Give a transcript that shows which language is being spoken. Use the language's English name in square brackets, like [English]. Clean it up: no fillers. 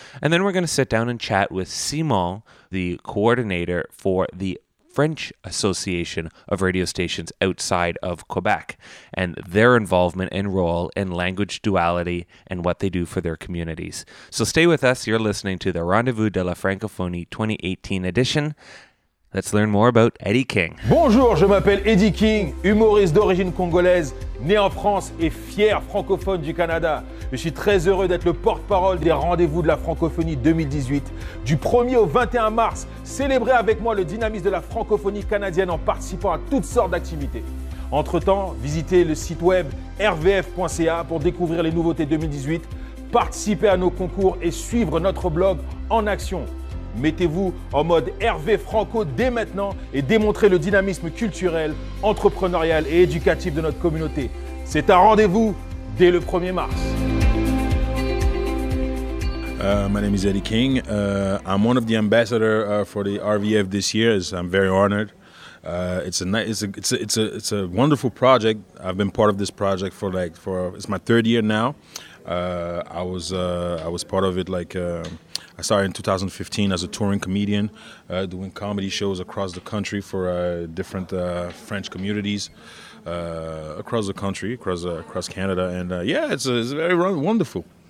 [English] And then we're going to sit down and chat with Simon, the coordinator for the French Association of Radio Stations outside of Quebec, and their involvement and role in language duality and what they do for their communities. So stay with us. You're listening to the Rendezvous de la Francophonie 2018 edition. Let's learn more about Eddie King. [French] Bonjour, je m'appelle Eddie King, humoriste d'origine congolaise, né en France et fier francophone du Canada. Je suis très heureux d'être le porte-parole des Rendez-vous de la Francophonie 2018. Du 1er au 21 mars, célébrez avec moi le dynamisme de la francophonie canadienne en participant à toutes sortes d'activités. Entre-temps, visitez le site web rvf.ca pour découvrir les nouveautés 2018, participez à nos concours et suivre notre blog en action. Mettez-vous en mode Hervé Franco dès maintenant et démontrez le dynamisme culturel, entrepreneurial et éducatif de notre communauté. C'est un rendez-vous dès le 1er mars. [English] My name is Eddie King. I'm one of the ambassadors for the RVF this year. I'm very honored. It's a wonderful project. I've been part of this project it's my third year now. I was part of it I started in 2015 as a touring comedian, doing comedy shows across the country for different French communities across the country, across Canada, and it's very wonderful.